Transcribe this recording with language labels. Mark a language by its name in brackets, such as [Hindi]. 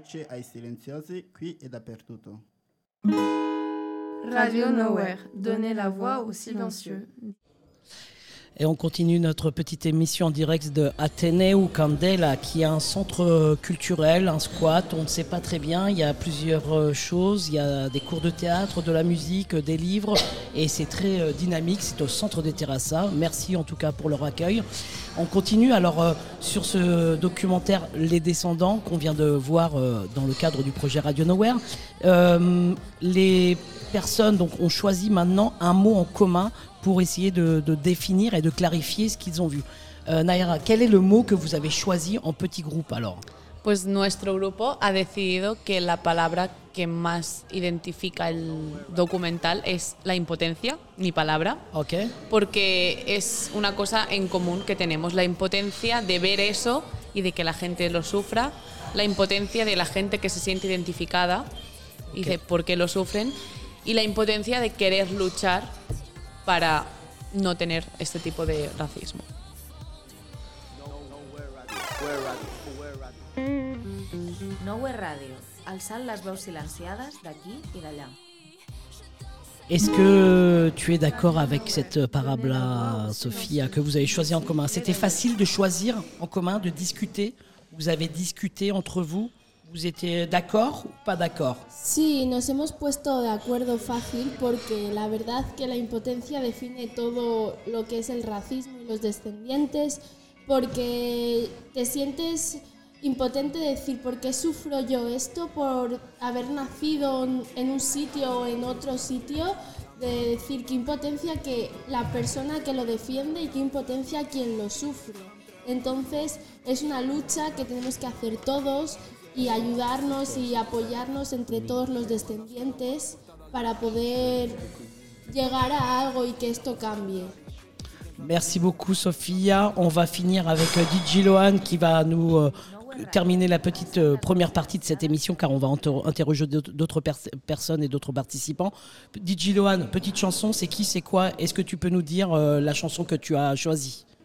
[Italian] Ai silenziosi qui e dappertutto. [French] Radio Nowhere, donnez la voix aux silencieux. Et on continue notre petite émission en direct de Ateneu Candela, qui est un centre culturel, un squat, on ne sait pas très bien, il y a plusieurs choses, il y a des cours de théâtre, de la musique, des livres, et c'est très dynamique, c'est au centre des Terrassa. Merci en tout cas pour leur accueil. On continue alors sur ce documentaire Les Descendants, qu'on vient de voir dans le cadre du projet Radio Nowhere. Les personnes donc, ont choisi maintenant un mot en commun pour essayer de définir et de clarifier ce qu'ils ont vu. Naira, quel est le mot que vous avez choisi en petit groupe alors? [Spanish] Pues nuestro grupo ha decidido que la palabra que más identifica el documental es la impotencia, mi palabra. Ok. Porque es una cosa en común que tenemos, la impotencia de ver eso y de que la gente lo sufra, la impotencia de la gente que se siente identificada y okay. De por qué lo sufren, y la impotencia de querer luchar para no tener este tipo de racismo. [Catalan] Nowhere Radio, alzant les voix silenciadas d'aquí et d'allà. [French] Est-ce que tu es d'accord avec cette parabla, Sophia, que vous avez choisi en commun? C'était facile de choisir en commun, de discuter? Vous avez discuté entre vous? Vous étiez d'accord ou pas d'accord? [Spanish] Sí, nos hemos puesto de acuerdo fácil porque la verdad que la impotencia define todo lo que es el racismo y los descendientes, porque te sientes impotente de decir por qué sufro yo esto por haber nacido en un sitio o en otro sitio, de decir qué impotencia que la persona que lo defiende y qué impotencia quien lo sufre. Entonces es una lucha que tenemos que hacer todos y ayudarnos y apoyarnos entre todos los descendientes para poder llegar a algo y que esto cambie. [French] Merci beaucoup Sofía. On va finir avec DJ Loan qui va nous terminer la petite première partie de cette émission, car on va interroger d'autres personnes et d'autres participants. DJ Loan, petite chanson, c'est qui, c'est quoi? Est-ce que tu peux nous dire la chanson que tu as choisie?